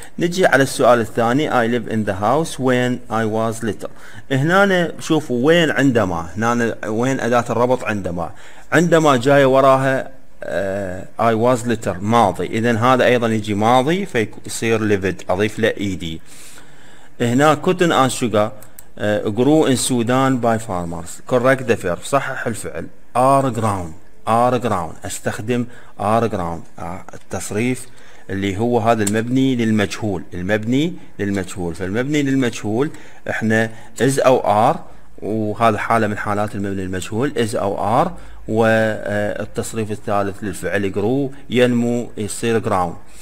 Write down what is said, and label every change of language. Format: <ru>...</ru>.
<ar>نجي على السؤال الثاني،</ar> <en>I live in the house when I was little.</en> <ar>هنا شوفوا وين عندما، هنا وين أداة الربط عندما، عندما جاي وراها</ar> <en>I was little</en> <ar>ماضي، إذن هذا أيضا يجي ماضي فيصير lived، أضيف له ED.</ar> <en>هنا cotton and sugar grow in Sudan by farmers. Correct the verb،</en> <ar>صحح الفعل.</ar> <en>Are grown، are grown،</en> <ar>استخدم are grown، التصريف اللي هو هذا المبني للمجهول، المبني للمجهول. فالمبني للمجهول احنا is او are، وهذا حالة من حالات المبني للمجهول is او are، والتصريف الثالث للفعل grow، ينمو يصير grown.</ar>